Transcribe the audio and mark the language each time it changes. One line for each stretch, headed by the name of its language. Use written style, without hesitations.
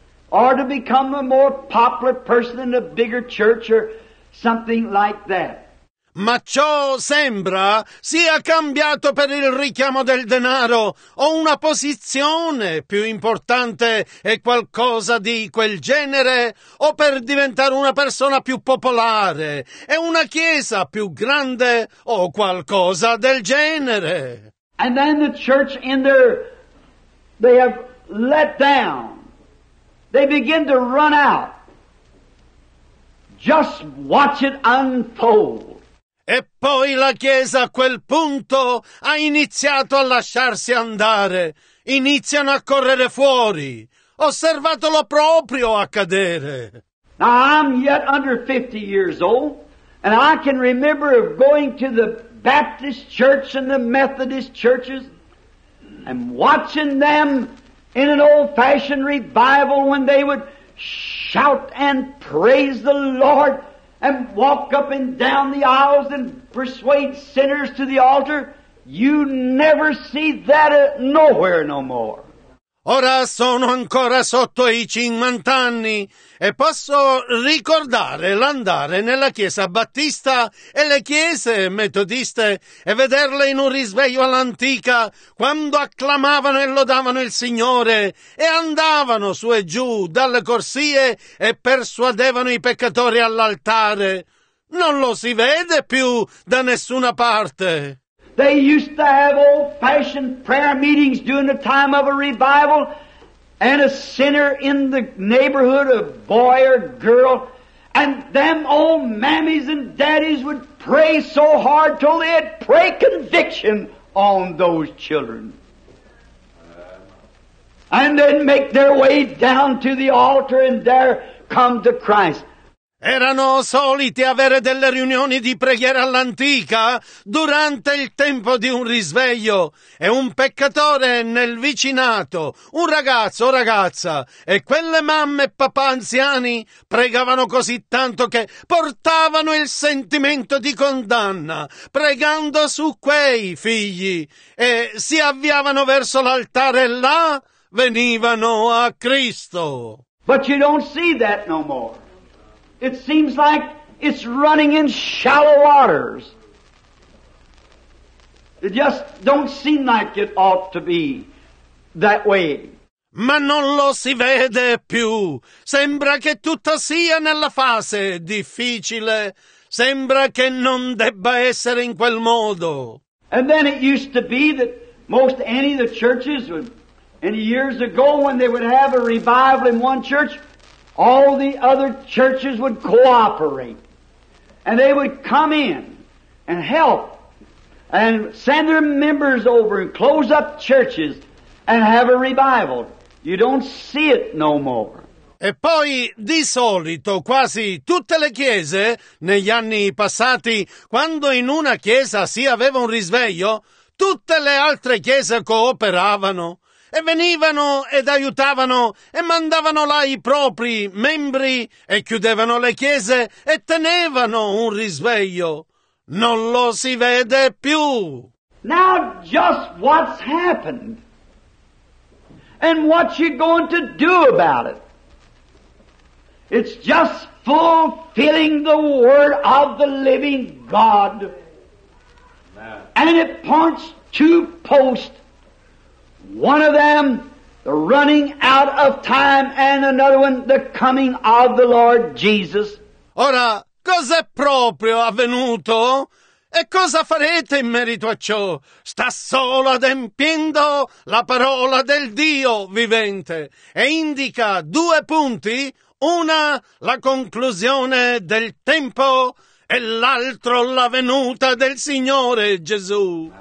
English: Or to become a more popular person in a bigger church or something like that.
Italian: Ma ciò sembra sia cambiato per il richiamo del denaro o una posizione più importante e qualcosa di quel genere o per diventare una persona più popolare e una chiesa più grande o qualcosa del genere.
English: And then the church in their, they have let down. They begin to run out. Just watch it unfold.
Italian: E poi la chiesa a quel punto ha iniziato a lasciarsi andare. Iniziano a correre fuori. Osservatelo proprio accadere.
English: Now I'm yet under 50 years old, and I can remember of going to the Baptist Church and the Methodist churches, and watching them in an old-fashioned revival when they would shout and praise the Lord and walk up and down the aisles and persuade sinners to the altar, you never see that nowhere no more.
Italian: Ora sono ancora sotto i 50 anni e posso ricordare l'andare nella chiesa battista e le chiese metodiste e vederle in un risveglio all'antica quando acclamavano e lodavano il Signore e andavano su e giù dalle corsie e persuadevano i peccatori all'altare. Non lo si vede più da nessuna parte.
English: They used to have old-fashioned prayer meetings during the time of a revival, and a sinner in the neighborhood, a boy or girl, and them old mammies and daddies would pray so hard till they had pray conviction on those children. and then make their way down to the altar and there come to Christ.
Italian: Erano soliti avere delle riunioni di preghiera all'antica durante il tempo di un risveglio e un peccatore nel vicinato, un ragazzo o ragazza, e quelle mamme e papà anziani pregavano così tanto che portavano il sentimento di condanna pregando su quei figli e si avviavano verso l'altare e là venivano a Cristo.
English: But you don't see that no more. It seems like it's running in shallow waters. It just don't seem like it ought to be that way.
Italian: Ma non lo si vede più. Sembra che tutto sia nella fase difficile. Sembra che non debba essere in quel modo.
English: And then it used to be that most any of the churches, would, any years ago when they would have a revival in one church, all the other churches would cooperate, and they would come in and help and send their members over and close up churches and have a revival. You don't see it no more.
Italian: E poi, di solito, quasi tutte le chiese, negli anni passati, quando in una chiesa si aveva un risveglio, tutte le altre chiese cooperavano. E venivano ed aiutavano e mandavano là i propri membri e chiudevano le chiese e tenevano un risveglio. Non lo si vede più.
English: Now just what's happened and what you going to do about it? It's just fulfilling the word of the living God. And it points to post. One of them, the running out of time, and another one, the coming of the Lord Jesus.
Italian: Ora, cos'è proprio avvenuto? E cosa farete in merito a ciò? Sta solo adempiendo la parola del Dio vivente e indica due punti. Una, la conclusione del tempo, e l'altro, la venuta del Signore Gesù.